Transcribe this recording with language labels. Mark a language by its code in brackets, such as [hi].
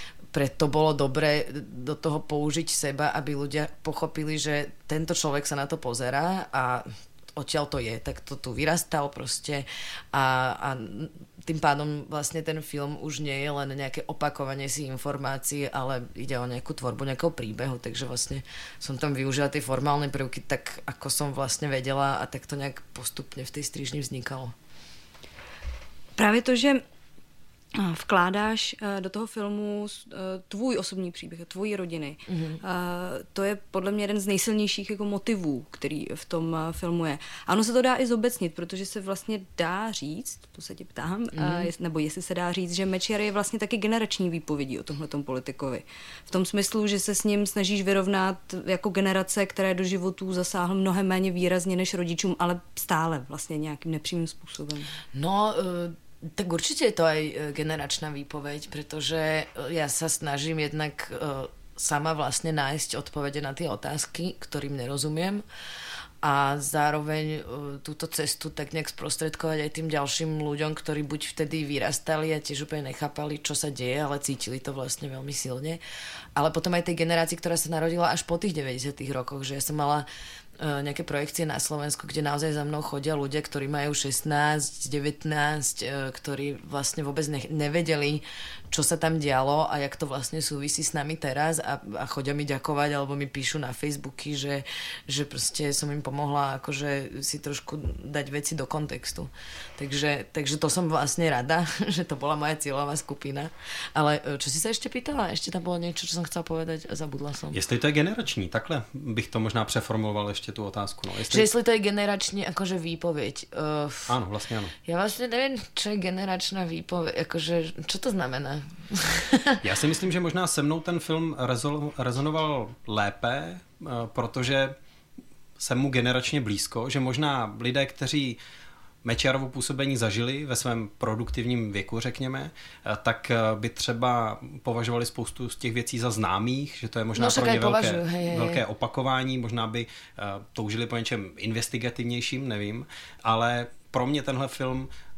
[sk] preto bolo dobré do toho použiť seba, aby ľudia pochopili, že tento človek sa na to pozerá a odtiaľ to je, tak to tu vyrastal proste a tým pádom vlastne ten film už nie je len nejaké opakovanie si informácií, ale ide o nejakú tvorbu, nejakého príbehu, takže vlastne som tam využila tie formálne prvky tak, ako som vlastne vedela a tak to nejak postupne v tej strižni vznikalo. [cs] Práve to, že vkládáš do toho filmu tvůj osobní příběh, tvojí rodiny. To je podle mě jeden z nejsilnějších jako motivů, který v tom filmu je. A ono se to dá i zobecnit, protože se vlastně dá říct, to se ti ptám, nebo jestli se dá říct, že Mečiar je vlastně taky generační výpovědí o tomhletom politikovi. V tom smyslu, že se s ním snažíš vyrovnat jako generace, které do životů zasáhl mnohem méně výrazně než rodičům, ale stále vlastně nějakým nepřímým způsobem. [sk] Tak určite je to aj generačná výpoveď, pretože ja sa snažím jednak sama vlastne nájsť odpovede na tie otázky, ktorým nerozumiem a zároveň túto cestu tak nejak sprostredkovať aj tým ďalším ľuďom, ktorí buď vtedy vyrastali a tiež úplne nechápali, čo sa deje, ale cítili to vlastne veľmi silne. Ale potom aj tej generácii, ktorá sa narodila až po tých 90. rokoch, že ja som mala nejaké projekcie na Slovensku, kde naozaj za mnou chodia ľudia, ktorí majú 16, 19, ktorí vlastne vôbec nevedeli, čo sa tam dialo a jak to vlastne súvisí s nami teraz a chodia mi ďakovať alebo mi píšu na Facebooky, že proste som im pomohla akože si trošku dať veci do kontextu. Takže to som vlastne rada, že to bola moja cieľová skupina. Ale čo si sa ešte pýtala? Ešte tam bolo niečo, čo som chcela povedať a zabudla som. [cs] Jestli to je generační, takhle bych to možná preformuloval [sk] ešte tú otázku. No, [cs] jestli to je generační [sk] akože výpoveď. Áno, vlastne áno. Ja vlastne neviem, čo je generačná výpoveď, akože čo to znamená. [cs] Já si myslím, že možná se mnou ten film rezonoval lépe, protože jsem mu generačně blízko, že možná lidé, kteří Mečiarovo působení zažili ve svém produktivním věku, řekněme, tak by třeba považovali spoustu z těch věcí za známých, že to je možná pro ně velké opakování, možná by toužili po něčem investigativnějším, nevím, ale pro mě tenhle film